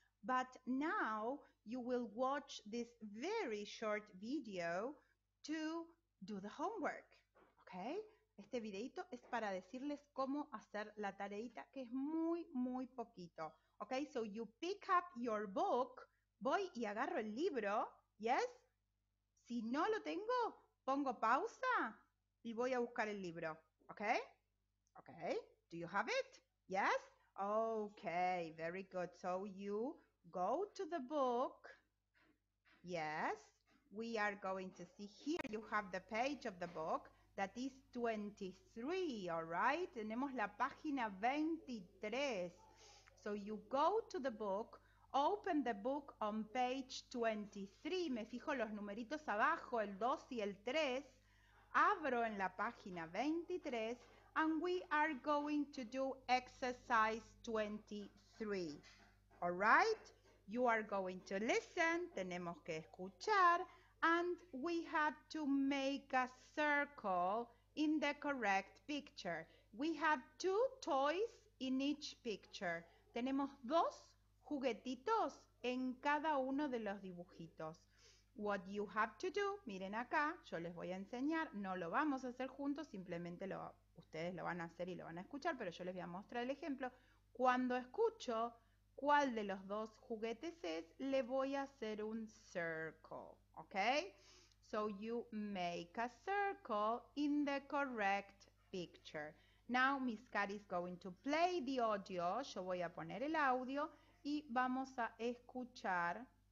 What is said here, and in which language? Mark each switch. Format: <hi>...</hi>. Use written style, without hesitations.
<en>But now you will watch this very short video to do the homework. Okay?</en> <es>Este videito es para decirles cómo hacer la tareita, que es muy, muy poquito.</es> <en>Okay? So you pick up your book.</en> <es>Voy y agarro el libro.</es> <en>Yes?</en> <es>Si no lo tengo, pongo pausa y voy a buscar el libro.</es> <en>Okay? Okay, do you have it? Yes? Okay, very good. So you go to the book. Yes, we are going to see here you have the page of the book that is 23, all right?</en> <es>Tenemos la página 23.</es> <en>So you go to the book, open the book on page 23.</en> <es>Me fijo los numeritos abajo, el 2 y el 3. Abro en la página 23.</es> <en>And we are going to do exercise 23. All right? You are going to listen.</en> <es>Tenemos que escuchar.</es> <en>And we have to make a circle in the correct picture. We have two toys in each picture.</en> <es>Tenemos dos juguetitos en cada uno de los dibujitos.</es> <en>What you have to do,</en> <es>miren acá, yo les voy a enseñar. No lo vamos a hacer juntos, simplemente lo. Ustedes lo van a hacer y lo van a escuchar, pero yo les voy a mostrar el ejemplo. Cuando escucho cuál de los dos juguetes es, le voy a hacer un circle. ¿Ok?</es> <en>So you make a circle in the correct picture. Now Miss Cat is going to play the audio.</en> <es>Yo voy a poner el audio y vamos a escuchar.</es>